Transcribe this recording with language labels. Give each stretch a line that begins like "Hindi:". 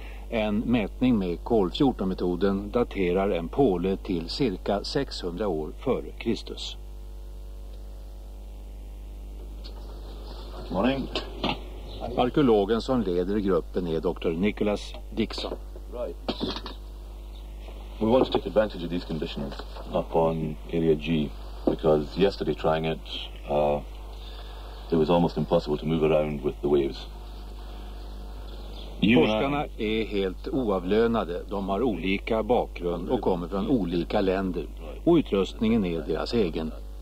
Swedish: En mätning med kol-14-metoden daterar en påle till cirka 600 år före Kristus.
English: Morning.
Swedish: Arkeologen som leder gruppen är Dr. Nicholas Dixon.
English: Right. We want to take advantage of these conditions up on Area G because yesterday trying it it was almost impossible to move around with the waves.
Swedish: Forskarna är helt oavlönade. De har olika bakgrund och kommer från olika länder. Och utrustningen är deras egen.